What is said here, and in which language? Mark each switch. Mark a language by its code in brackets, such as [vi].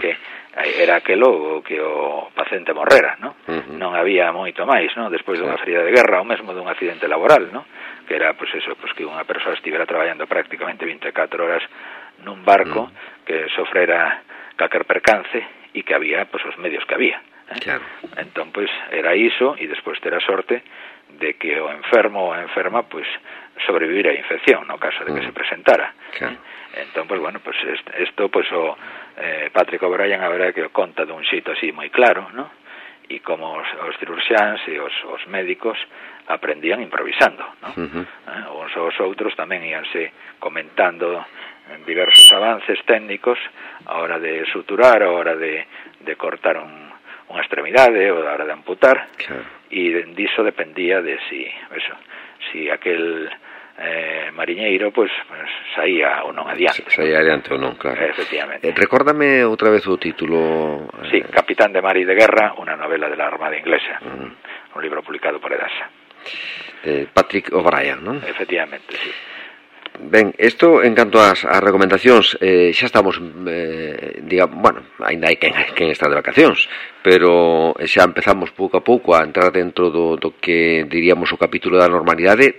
[gl] Que era aquelo que o paciente morrera, ¿no? Non había moito máis, ¿no? Despois dunha ferida de guerra ou mesmo dun accidente laboral, ¿no? Que era, pues eso, pues que unha persoa estivera traballando prácticamente 24 horas nun barco que sofrera calquer percance e que había, pues, os medios que había, ¿eh? Claro. Entón, pues, era iso, e despois ter a sorte de que o enfermo ou a enferma, pues, sobrevivira a infección, no caso de que se presentara. Claro. Entón, pues, bueno, pues, esto, pues, o Patrick O'Brien, a verdade que o conta dun xito así moi claro, ¿no? E como os cirurxiáns e os médicos aprendían improvisando, ¿no? Uh-huh. Uns aos outros tamén íanse comentando diversos avances técnicos a hora de suturar, a hora de cortar unha extremidade ou a hora de amputar, claro. E diso dependía de si aquel mariñeiro, pues saía ou non adiante. Saía adiante ou non, claro. Efectivamente. Recórdame outra vez o título. [es] Sí, Capitán de Mar y de Guerra, una novela de la Armada Inglesa. Un libro publicado por Edasa. [gl] Patrick O'Brien, ¿no? Efectivamente, sí. Ben, isto en canto ás recomendacións, xa estamos, digamos, bueno, ainda hai quen está de vacacións, pero xa empezamos pouco a pouco a entrar dentro do que diríamos o capítulo da normalidade.